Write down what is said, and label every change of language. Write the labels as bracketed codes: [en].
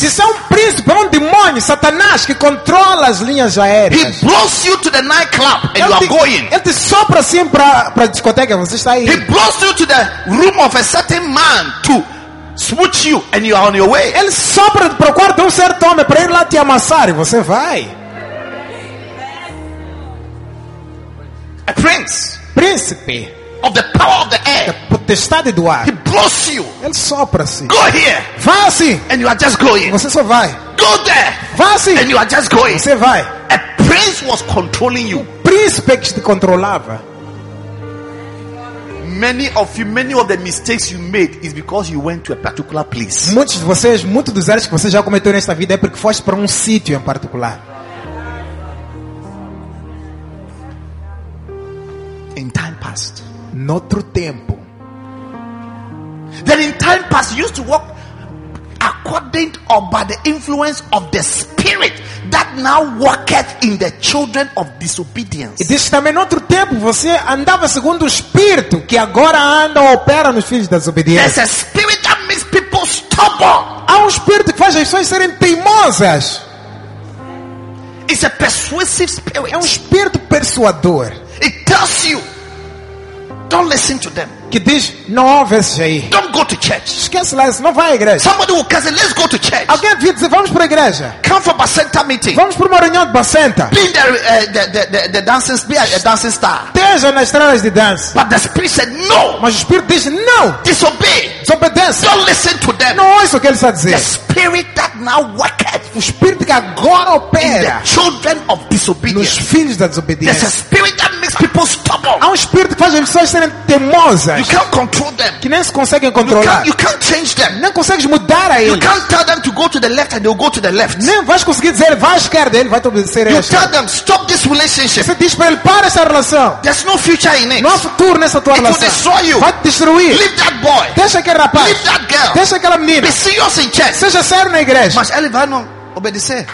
[pt] De ser um príncipe, um demônio, Satanás, que controla as linhas aéreas. [en] He blows you to the nightclub and you are going. [pt] Ele te sopra assim para a discoteca, você está aí. [en] He blows you to the room of a certain man to smooch you and you are on your way. [pt] Ele sopra para o quarto de um certo homem para ir lá te amassar e você vai. [en] A prince, [pt] príncipe, [en] of the power of the air, [pt] da potestade do ar. [en] He blows you. [pt] Ele sopra assim. [en] Go here. [pt] Vá assim. [en] And you are just going. [pt] Você só vai. [en] Go there. [pt] Vá assim. [en] And you are just going. [pt] Você vai. [en] A prince was controlling you. [pt] O príncipe que te controlava. [en] Many of you, many of the mistakes you made is because you went to a particular place. [pt] Muitos de vocês, muitos dos erros que vocês já cometeram nesta vida é porque foste para um sítio em particular. [en] In time past. [pt] Noutro tempo. [en] Then in time past you used to walk according or by the influence of the spirit that now worketh in the children of disobedience. [pt] E disse também, noutro tempo você andava segundo o espírito que agora anda ou opera nos filhos da desobediência. [en] There's a spirit that makes people stubborn. [pt] Há um espírito que faz as pessoas serem teimosas. [en] It's a persuasive spirit. [pt] É um espírito persuador. [en] It tells you, don't listen to them. [pt] Que diz, não ouve esses aí. [en] Don't go to church. [pt] Esquece lá, não vai à igreja. [en] Somebody will say, let's go to church. [pt] Alguém vai dizer, vamos para a igreja. [en] Come for Bacenta meeting. [pt] Vamos para uma reunião de Bacenta. [en] Be the dancing, be a dancing star. [pt] Esteja nas estrelas de dança. [en] But the spirit said no. [pt] Mas o espírito diz não. [en] Disobey. [pt] Desobedece. [en] Don't listen to them. [pt] Não ouça o que ele está a dizer. [en] The spirit that now worketh. [pt] O espírito que agora opera. [en] In the children of disobedience. [pt] Nos filhos da desobediência. [en] There's a spirit that makes people stubborn. [pt] Há um espírito que faz as pessoas serem teimosas. [en] You can't control them. [pt] Que nem se conseguem controlar. [en] You can't change them. [pt] Nem consegues mudar a eles. [en] You can't tell them to go to the left and they'll go to the left. [pt] Nem vais conseguir dizer vai à esquerda, ele vai te obedecer. [en] You tell them stop this relationship. [pt] Você diz para ele para essa relação. [en] There's no future in it. [pt] Não há futuro nessa tua relação. [en] It will destroy you. [pt] Vai te destruir. [en] Leave that boy. [pt] Deixa aquele rapaz. [en] Leave that girl. [pt] Deixa aquela menina. [en] Be serious in church. [pt] Seja sério na igreja. Mas ele vai não obedecer.